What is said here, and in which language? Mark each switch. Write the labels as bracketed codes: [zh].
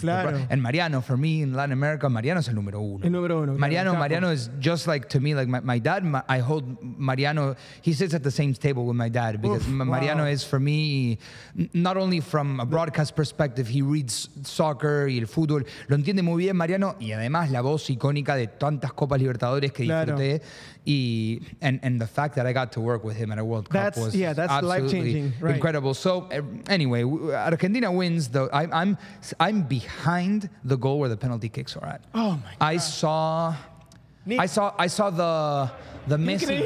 [es] claro. [en] And Mariano for me in Latin America, Mariano [es] es el número uno. El número uno. [en] Mariano, claro. Mariano is just like to me, like my dad. I hold Mariano. He sits at the same table with my dad because Mariano is for me not only from a broadcast perspective. He reads soccer [es] y el fútbol. Lo entiende muy bien, Mariano. Y además la voz icónica de tantas Copas Libertadores que disfruté. [en] And the fact that I got to work with him at a World Cup was that's absolutely right. Incredible. So anyway, Argentina wins. I'm behind the goal where the penalty kicks are at. Oh my God! I saw the Messi Increíble.